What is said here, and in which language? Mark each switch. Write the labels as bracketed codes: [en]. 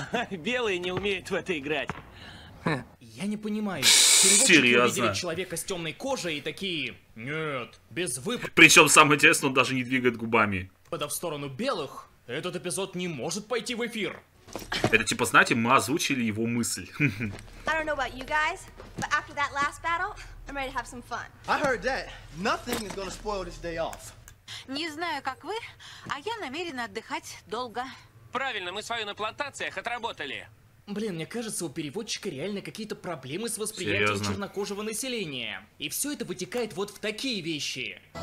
[ru] Белые не умеют в это играть. Я не понимаю. Серьезно? Увидели человека с темной кожей и такие... Нет, без выпад... Причем самое интересное, он даже не двигает губами. Подав в сторону белых, этот эпизод не может пойти в эфир. Это типа, знаете, мы озвучили его мысль. [en] I don't know about you guys, but after that last battle, I'm ready to have some fun. I heard that. Nothing is gonna spoil this day off. [ru] Не знаю, как вы, а я намерена отдыхать долго. Правильно, мы свою на плантациях отработали. Блин, мне кажется, у переводчика реально какие-то проблемы с восприятием. Серьезно? Чернокожего населения. И все это вытекает вот в такие вещи.